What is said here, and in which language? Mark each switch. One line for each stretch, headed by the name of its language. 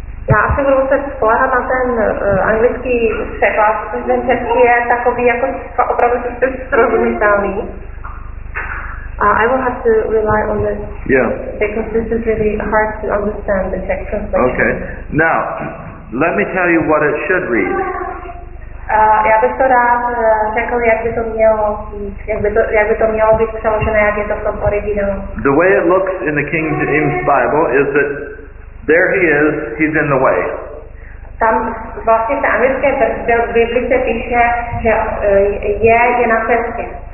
Czech: Já asi budu muset spolehat na ten anglický překlad, protože ten český je takový jako opravdu srozumitelný.
English: I will have to rely on this. Yeah. Because this is really hard to understand the Czech translation. Okay. Now, let me tell you what it should read.
Czech: Já bych to rád řekl, jak by to mělo být přeložené, jak je to v tom originálu.
English: The way it looks in the King James Bible is that there he is, he's in the way.
Czech: Tam vlastně ta anglické Bible se píše, že je na cestě.